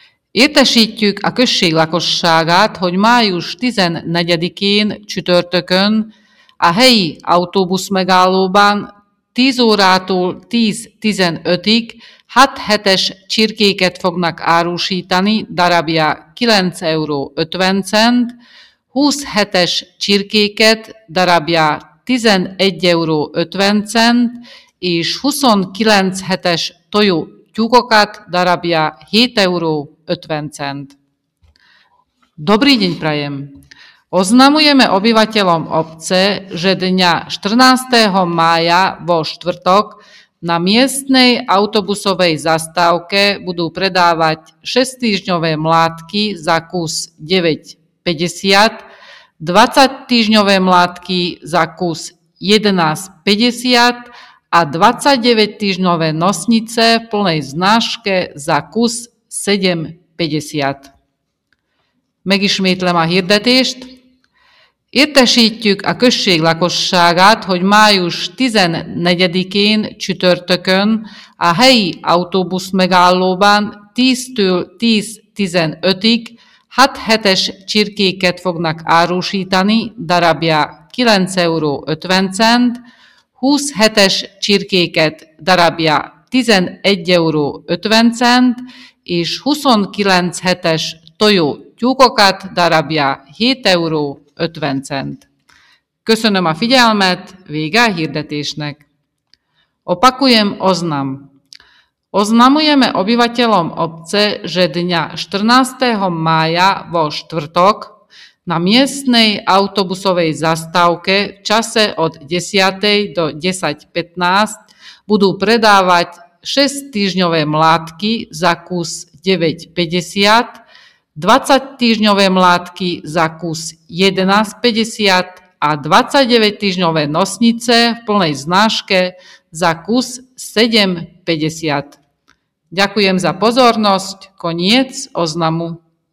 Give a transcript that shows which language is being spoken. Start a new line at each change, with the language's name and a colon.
Hungarian: Értesítjük a község lakosságát, hogy május 14-én csütörtökön a helyi autóbusz megállóban 10 órától 10:15-ig 6-7-es csirkéket fognak árusítani, darabja 9,50 €, 20-7-es csirkéket, darabja 11,50 €, és 29-7-es tojó tyúkokat, darabja 7,50 €.
Slovak: Dobrý deň prajem. Oznamujeme obyvateľom obce, že dňa 14. mája vo štvrtok na miestnej autobusovej zastávke budú predávať 6-týždňové mlátky za kus 9,50, 20-týždňové mlátky za kus 11,50 a 29-týždňové nosnice v plnej znáške za kus 7,50.
Hungarian: Megismétlem a hirdetést. Értesítjük a község lakosságát, hogy május 14-én csütörtökön a helyi autóbusz megállóban 10-től 10:15-ig 6-7-es csirkéket fognak árusítani, darabja 9,50 €, 20-7-es csirkéket, darabja 11,50 €, és 29-7-es tojó tyúkokat, darabja 7,50 €. Köszönöm a figyelmet, vége a hirdetésnek.
Slovak: Opakujem oznam. Oznamujeme obyvateľom obce, že dňa 14. mája vo štvrtok na miestnej autobusovej zastávke v čase od 10. do 10:15 budú predávať 6-týždňové mlátky za kus 9,50, 20-týždňové mlátky za kus 11,50 a 29-týždňové nosnice v plnej znáške za kus 7,50. Ďakujem za pozornosť. Koniec oznamu.